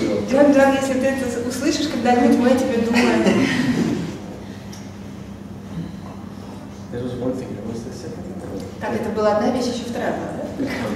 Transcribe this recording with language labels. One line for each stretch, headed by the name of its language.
Russian: Джан-Джан, если ты это услышишь когда-нибудь, мы о тебе думаем.
English: There was one thing, there was the second thing.
Russian: Так, это была одна вещь, еще вторая была, да?